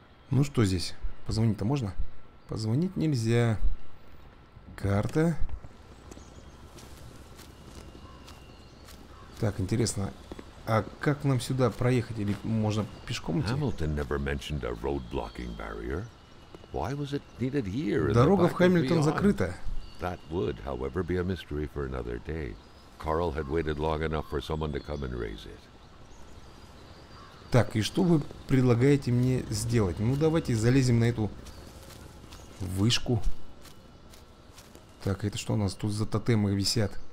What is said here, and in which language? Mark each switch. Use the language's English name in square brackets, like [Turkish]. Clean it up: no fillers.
[Russian] Ну что здесь? Позвонить-то можно? Позвонить нельзя. Карта. Так, интересно. А как нам сюда проехать? Или можно пешком идти? [English] Hamilton never mentioned a road-blocking barrier. Why was it needed here? [Russian] Дорога в Хэмилтон закрыта. [English] That would, however, be a mystery for another day. Carl had waited long enough for someone to come and raise it. [Russian] Так, и что вы предлагаете мне сделать? Ну, давайте залезем на эту вышку. Так, это что у нас тут за тотемы висят?